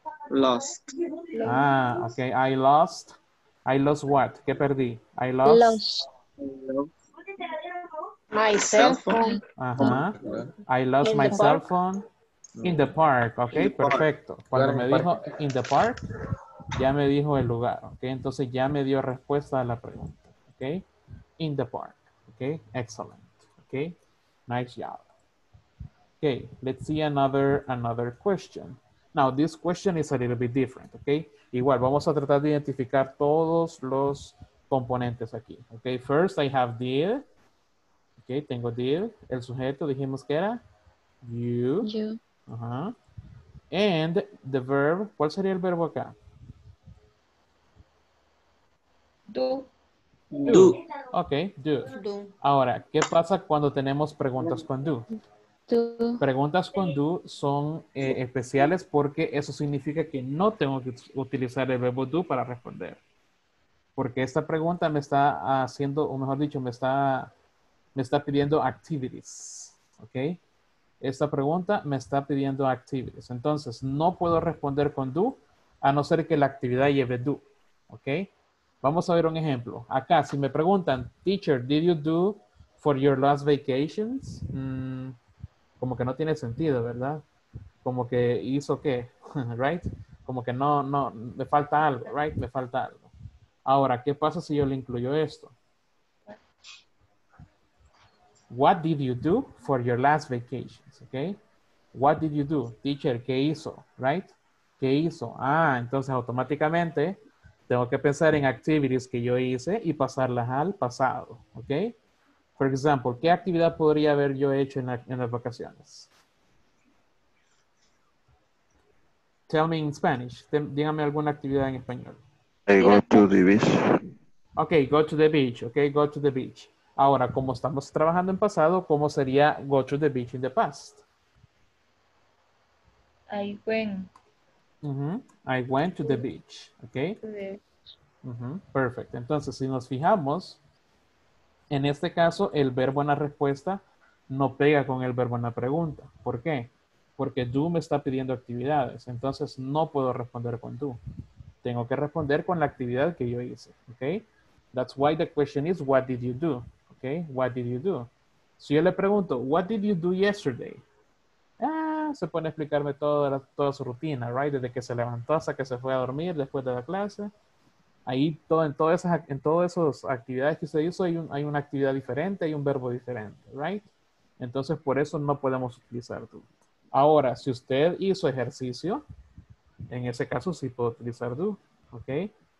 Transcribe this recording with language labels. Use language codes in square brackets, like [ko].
[en] Lost. Ah, okay. I lost what? [es] ¿Qué perdí? [en] I lost. My cell phone. Uh-huh. I lost my cell phone in the park. [es] Okay, perfecto. Cuando me dijo [en] in the park, [es] ya me dijo el lugar. Okay, entonces ya me dio respuesta a la pregunta. [en] Okay, in the park. Okay, excellent. Okay, nice job. Okay, let's see another question. Now, this question is a little bit different. [es] Okay, igual, vamos a tratar de identificar todos los componentes aquí. [en] Okay, first I have did. Okay, [es] tengo [en] did. [es] El sujeto dijimos que era you. [en] You. [es] Uh-huh. [en] And the verb, [es] ¿cuál sería el verbo acá? [en] Do. Do. [es] Ok, do. Ahora, ¿qué pasa cuando tenemos preguntas con do? do. Preguntas con do son especiales porque eso significa que no tengo que utilizar el verbo do para responder. Porque esta pregunta me está haciendo, o mejor dicho, me está pidiendo activities. ¿Ok? Esta pregunta me está pidiendo activities. Entonces, no puedo responder con do a no ser que la actividad lleve do. ¿Ok? Vamos a ver un ejemplo. Acá, si me preguntan, [en] teacher, did you do for your last vacations? [es] Como que no tiene sentido, ¿verdad? Como que hizo qué, right? Como que no, me falta algo, right? Me falta algo. Ahora, ¿qué pasa si yo le incluyo esto? [en] What did you do for your last vacations? Okay. What did you do? Teacher, [es] ¿qué hizo? [en] Right? ¿Qué hizo? [es] Ah, entonces automáticamente tengo que pensar en activities que yo hice y pasarlas al pasado. Okay. For example, ¿qué actividad podría haber yo hecho en las vacaciones? [en] Tell me in Spanish. [es] Dígame alguna actividad en español. [en] I go to the beach. Okay, go to the beach. Okay, go to the beach. [es] Ahora, como estamos trabajando en pasado, ¿cómo sería [en] go to the beach in the past? I went. Uh-huh. I went to the beach. Ok. Uh-huh. Perfect. [es] Entonces, si nos fijamos, en este caso, el verbo en la respuesta no pega con el verbo en la pregunta. ¿Por qué? Porque do me está pidiendo actividades. Entonces, no puedo responder con do. Tengo que responder con la actividad que yo hice. [en] Ok. That's why the question is, what did you do? Okay, what did you do? [es] Si yo le pregunto, [en] what did you do yesterday? [es] Ah, se pone a explicarme toda su rutina, right? Desde que se levantó hasta que se fue a dormir después de la clase. Ahí, en todas esas actividades que usted hizo, hay una actividad diferente, hay un verbo diferente, right? Entonces, por eso no podemos utilizar do. Ahora, si usted hizo ejercicio, en ese caso sí puedo utilizar do, okay?